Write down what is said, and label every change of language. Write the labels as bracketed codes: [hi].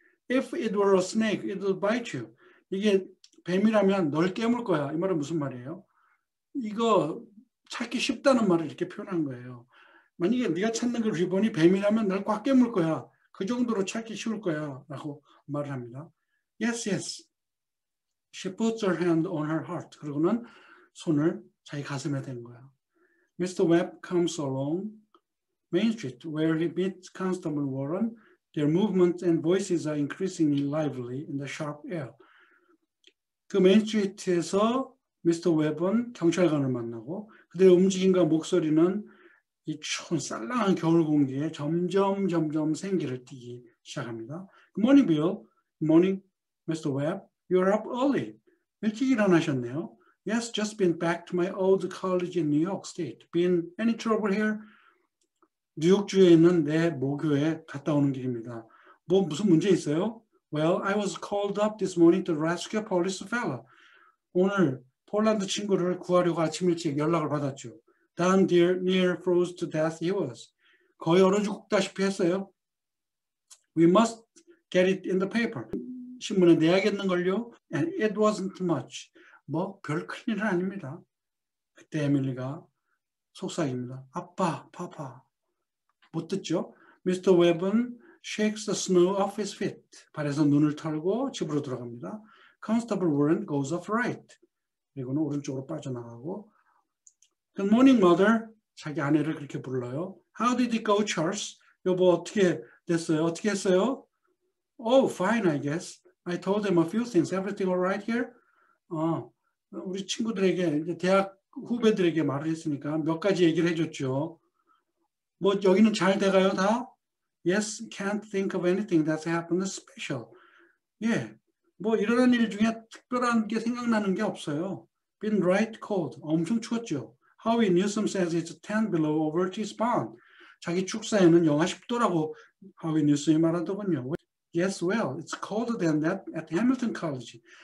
[en] If it were a snake, it would bite you. [ko] 이게 뱀이라면 널 깨물 거야. 이 말은 무슨 말이에요? 이거 찾기 쉽다는 말을 이렇게 표현한 거예요. 만약에 네가 찾는 그 리본이 뱀이라면 날 꽉 깨물 거야. 그 정도로 찾기 쉬울 거야. 라고 말을 합니다. [en] Yes, yes. She puts her hand on her heart. [ko] 그러고는 손을 자기 가슴에 댄 거야. [en] Mr. Webb comes along Main Street where he meets Constable Warren. Their movements and voices are increasingly lively in the sharp air. [ko] 그 메인스트리트에서 미스터 웹은 경찰관을 만나고 그들의 움직임과 목소리는 이 추운 쌀랑한 겨울 공기에 점점 생기를 띠기 시작합니다. [en] Good morning, Bill. Good morning, Mr. Webb. You're up early. [ko] 일찍 일어나셨네요. [en] Yes, just been back to my old college in New York State. Been any trouble here? [ko] 뉴욕주에 있는 내 모교에 갔다 오는 길입니다. 뭐 무슨 문제 있어요? [en] Well, I was called up this morning to rescue a police fella. [ko] 오늘 폴란드 친구를 구하려고 아침 일찍 연락을 받았죠. [en] Down there, near froze to death he was. [ko] 거의 얼어 죽다시피 했어요. [en] We must get it in the paper. [ko] 신문에 내야겠는걸요? [en] And it wasn't much. [ko] 뭐 별 큰일은 아닙니다. 그때 에밀리가 속삭입니다. 아빠, 파파. 못 듣죠? Mr. [en] Webb은 shakes the snow off his feet. [ko] 발에서 눈을 털고 집으로 들어갑니다. [en] Constable Warren goes off right. [ko] 그리고는 오른쪽으로 빠져나가고 [en] Good morning, mother. [ko] 자기 아내를 그렇게 불러요. [en] How did it go, Charles? [ko] 여보, 어떻게 됐어요? 어떻게 했어요? [en] Oh, fine, I guess. I told them a few things. Everything all right here? [ko] 우리 친구들에게, 이제 대학 후배들에게 말을 했으니까 몇 가지 얘기를 해줬죠. 뭐 여기는 잘 돼가요, 다? [en] Yes, can't think of anything that's happened special. [ko] 예, yeah. 뭐 일어난 일 중에 특별한 게 생각나는 게 없어요. [en] Been right cold. [ko] 엄청 추웠죠. [en] Howie Newsom says it's 10 below over his barn. [ko] 자기 축사에는 영하 10도라고 Howie Newsom이 말하더군요. [en] Yes, well, it's colder than that at Hamilton College.